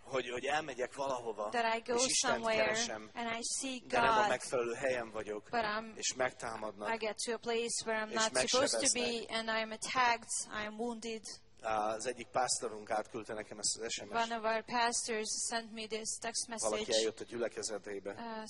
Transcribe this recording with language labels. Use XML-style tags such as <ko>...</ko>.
<hu>hogy elmegyek valahova,</hu> <en>that I go</en> <hu>és Istent</hu> <en>somewhere</en> <hu>keresem,</hu> <en>and I see</en> <hu>de</hu> <en>God,</en> <hu>nem a megfelelő helyen vagyok,</hu> <en>but I'm,</en> <hu>és megtámadnak,</hu> <en>I get to a place where I'm not supposed to be, and I'm attacked, I'm wounded.</en> <hu>Az egyik pásztorunk átküldte nekem ezt az SMS-t.</hu> <en>One of our pastors sent me this text message.</en> <hu>Valaki eljött a gyülekezetébe.</hu>